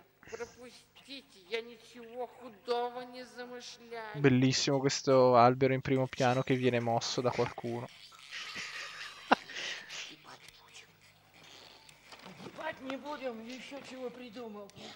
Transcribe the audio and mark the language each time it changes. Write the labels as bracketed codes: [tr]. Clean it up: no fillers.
[ru] Пропустите, я ничего худого не замышляю. [it] Bellissimo questo albero in primo piano che viene mosso da qualcuno. [ru] Спать не будем, еще чего придумал.